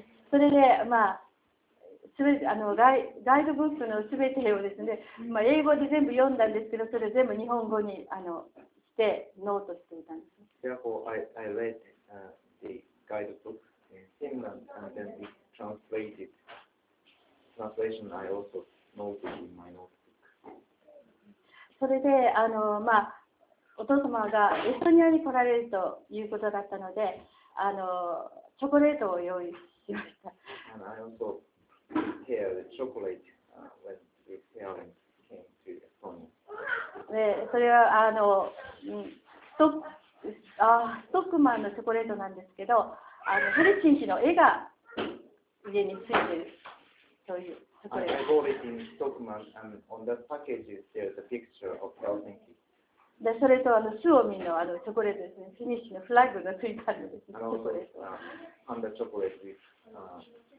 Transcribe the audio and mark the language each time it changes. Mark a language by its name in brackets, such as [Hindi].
[Japanese] それでまあすべガイドブックのすべてをですね、まあ、英語で全部読んだんですけど、それ全部日本語にしてノートしていたんです。 [English] Therefore, I read the guidebook in Finland and then it translated. Translation I also noted in my notebook. [Japanese] それでまあお父様がエストニアに来られるということだったので、チョコレートを用意しました。 [English] And I also... Prepare the chocolate when the parents came to Estonia. [Japanese] で、それはストックマンのチョコレートなんですけど、ヘルシンキの絵が家についているというチョコレート。 [English] I bought it in Stockman, and on that package there's a picture of Helsinki. [Japanese] で、それとスオミのチョコレートですね、フィニッシュのフラッグがついたんです。チョコレート。パンダチョコレートです。